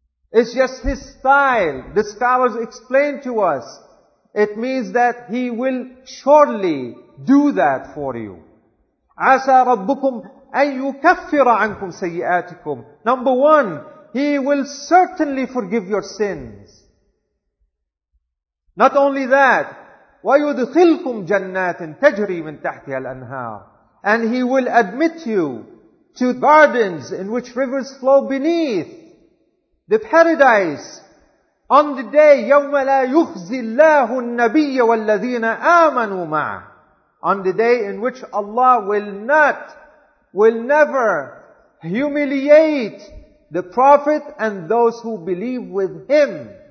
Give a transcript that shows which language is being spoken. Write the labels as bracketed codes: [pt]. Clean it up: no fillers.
[en] It's just His style. The scholars explain to us. It means that He will surely do that for you. [ar] عَسَى رَبُّكُمْ أَن يُكَفِّرَ عَنْكُمْ سَيِّئَاتِكُمْ. [en] Number one, He will certainly forgive your sins. Not only that, [ar] وَيُدْخِلْكُمْ جَنَّاتٍ تَجْرِي مِنْ تَحْتِهَا الْأَنْهَارِ. [en] And He will admit you to gardens in which rivers flow beneath, the paradise, on the day, [ar] يَوْمَ لَا يُخْزِي اللَّهُ النَّبِيَّ وَالَّذِينَ آمَنُوا مَعَهُ. [en] On the day in which Allah will never humiliate the Prophet and those who believe with him.